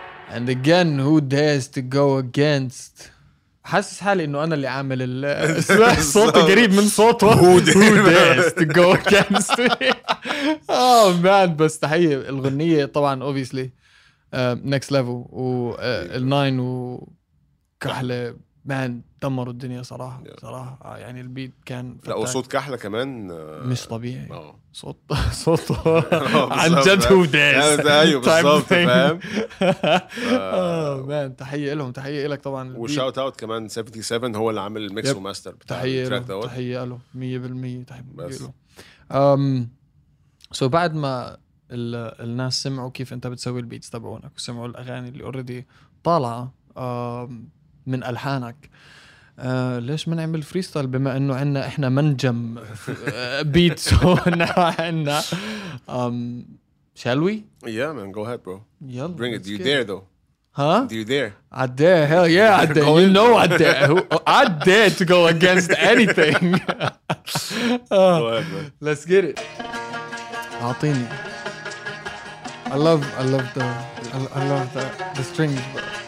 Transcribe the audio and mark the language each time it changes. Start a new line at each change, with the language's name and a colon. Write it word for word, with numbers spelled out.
English: And again, who dares to go against?
Arabic: حاسس حالي إنه أنا اللي عامل ال صوتي قريب من صوته.
English: Who dares to go against me? Oh man,
Arabic: بس تحية الغنية طبعًا
English: obviously uh, next level
Arabic: و uh, الناين وكحلة man دمروا الدنيا صراحة صراحة يعني البيت كان. لا وصوت كحلة كمان uh, مش طبيعي.
English: No.
Arabic: صوت صوت عن جد هو داس ايوه بالظبط فاهم اه مان تحيه لهم تحيه لك طبعا وشاوت اوت كمان سبعة وسبعين هو اللي عامل الميكس وماستر بتاع التراك دوت تحيه له مية بالمية تحيه له امم سو بعد ما الناس سمعوا كيف انت بتسوي البيتس تبعونك وسمعوا الاغاني اللي اوريدي طالعه من الحانك آه، ليش ما نعمل فريستايل بما انه عنا احنا منجم بيتس عنا um
English: shall we yeah man go ahead bro
Arabic: يلا
English: bring it you get... dare though huh do you dare I dare hell yeah I dare you know I dare I dare to go against anything uh, go ahead man let's get it
Arabic: أعطيني
English: I love I love the I love the the strings bro.